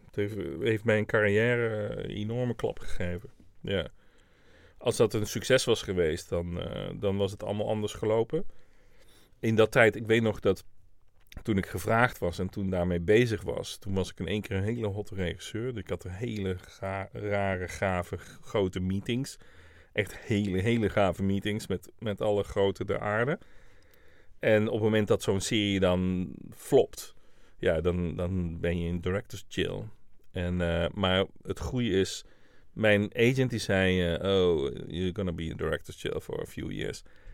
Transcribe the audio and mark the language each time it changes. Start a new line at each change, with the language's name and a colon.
Dutch: Het heeft mijn carrière een enorme klap gegeven. Ja. Als dat een succes was geweest, dan was het allemaal anders gelopen. In dat tijd, ik weet nog dat toen ik gevraagd was en toen daarmee bezig was, toen was ik in één keer een hele hotte regisseur. Dus ik had hele rare, gave, grote meetings. Echt hele, hele gave meetings met alle grote der aarde. En op het moment dat zo'n serie dan flopt, ja, dan ben je in director's jail. Maar het goede is, mijn agent die zei,
English: oh, you're gonna be in director's jail for a few years.